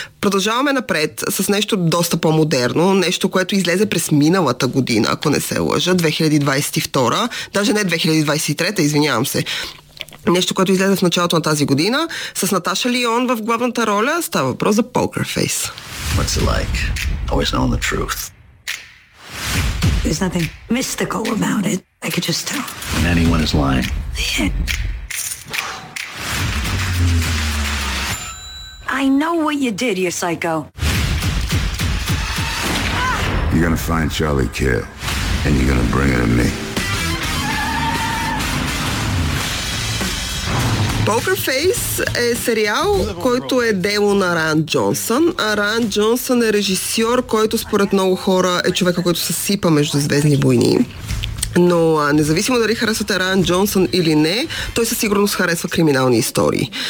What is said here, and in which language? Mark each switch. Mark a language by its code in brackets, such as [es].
[bg] Продължаваме напред с нещо доста по-модерно, нещо, което излезе през миналата година, ако не се лъжа, 2022, даже не 2023, извинявам се. Нещо, което излезе в началото на тази година с Наташа Лион в главната роля, става въпрос за Poker Face. [en] What's it like? Always known the truth. There's nothing mystical about it. I could just tell. When anyone is lying. I know what you did, you psycho. You're gonna find Charlie Kill and you're gonna bring it to me. [bg] Poker Face е сериал, който е дело на Райан Джонсън. А Райан Джонсън е режисьор, който според много хора е човека, който се сипа между Звездни войни. Но независимо дали харесвате Райан Джонсън или не, той със сигурност харесва криминални истории.